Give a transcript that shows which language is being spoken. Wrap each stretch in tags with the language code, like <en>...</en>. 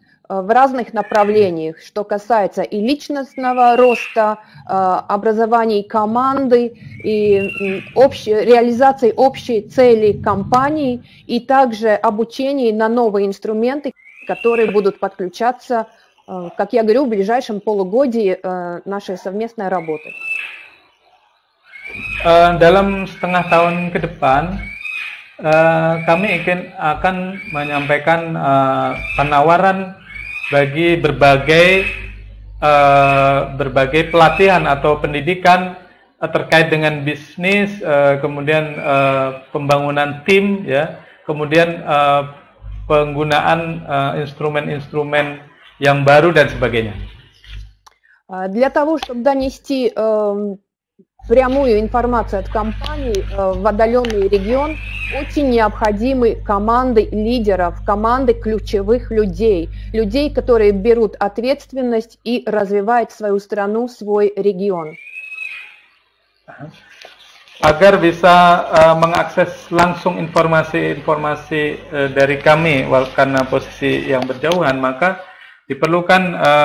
<ru>в разных направлениях, что касается и личностного роста, образования команды, и реализации общей цели компании, и также обучения на новые инструменты, которые будут подключаться, как я говорю, в ближайшем полугодии нашей совместной работы.</ru> <id>Dalam setengah tahun ke depan, kami akan menyampaikan penawaran bagi berbagai pelatihan atau pendidikan terkait dengan bisnis, kemudian pembangunan tim, ya, kemudian penggunaan instrumen-instrumen yang baru dan sebagainya.</id> <ru>Для того, чтобы донести прямую информацию от компании в отдаленный регион, очень необходимы команды лидеров, команды ключевых людей, людей, которые берут ответственность и развивают свою страну, свой регион.</ru> <id>Agar bisa mengakses langsung informasi-informasi dari kami, karena posisi yang berjauhan, maka diperlukan</id>